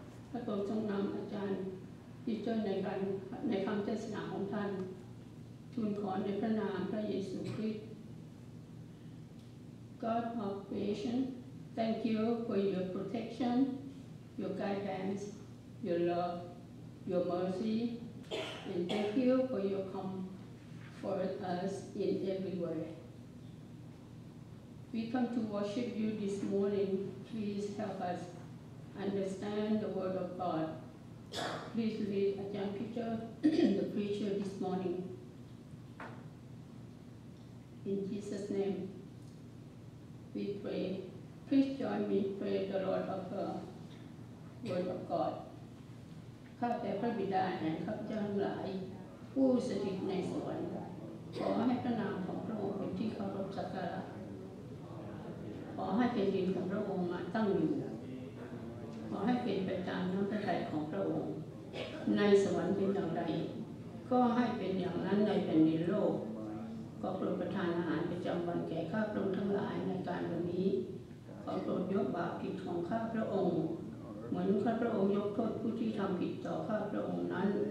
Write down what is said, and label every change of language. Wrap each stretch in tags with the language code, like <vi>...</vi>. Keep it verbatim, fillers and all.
<th>พระองค์ทรงนำอาจารย์ที่เจอในการในคำเทศนาของท่านทูลขอในพระนามพระเยซูคริสต์</th> <en>God of creation, thank you for your protection, your guidance, your love, your mercy, and thank you for your comfort us in every way. We come to worship you this morning. Please help us understand the word of God. Please lead Ajahn Peter, the preacher, this morning. In Jesus' name, we pray. Please join me pray the Lord of the word of God.</en> <th>ข้าแต่พระบิดาแห่งข้าพเจ้าทั้งหลายผู้สถิตในสวรรค์ขอให้พระนามของพระองค์เป็นที่เคารพสักการะขอให้เป็นดินของพระองค์มาตั้งอยู่ ขอให้เป็นไปตามน้ำพระทัยของพระองค์ในสวรรค์เป็นอย่างไรก็ให้เป็นอย่างนั้นในแผ่นดินโลกขอโปรดประทานอาหารประจำวันแก่ข้าพระองค์ทั้งหลายในการวันนี้ขอโปรดยกบาปผิดของข้าพระองค์เหมือนข้าพระองค์ยกโทษผู้ที่ทำผิดต่อข้าพระองค์นั้น</th>